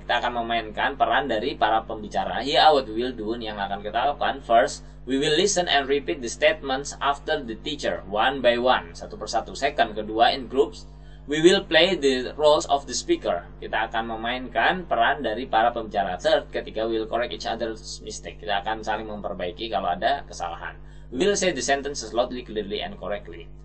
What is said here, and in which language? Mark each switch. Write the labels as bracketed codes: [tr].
[id] Kita akan memainkan peran dari para pembicara. [en] Here what we will do, [id] yang akan kita lakukan. [en] First, we will listen and repeat the statements after the teacher, one by one, [id] satu persatu. [en] Second, kedua, in groups, we will play the roles of the speaker. [id] Kita akan memainkan peran dari para pembicara. [en] Third, ketiga, we will correct each other's mistake. [id] Kita akan saling memperbaiki kalau ada kesalahan. [en] We will say the sentences loudly, clearly, and correctly.